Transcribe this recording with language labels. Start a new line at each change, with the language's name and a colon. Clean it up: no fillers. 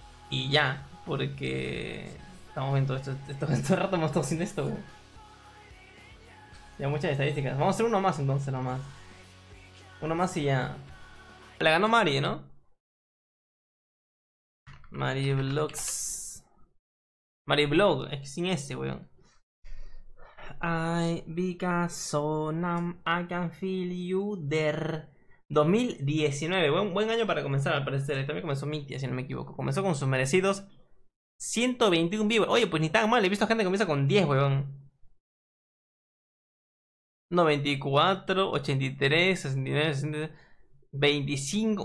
Spanish: Y ya, porque. Estamos viendo esto. Este rato hemos estado sin esto, güey. Ya muchas estadísticas. Vamos a hacer uno más entonces, nomás. Uno más y ya. Le ganó Mari, ¿no? Mari Vlogs. Mari Vlog, es que sin ese, weón.
English: Ay, because I can feel you there.
Spanish: 2019, buen año para comenzar al parecer. También comenzó Mitya, si no me equivoco. Comenzó con sus merecidos 121 vivos. Oye, pues ni tan mal. He visto gente que comienza con 10, weón. 94, 83, 69, 69, 25.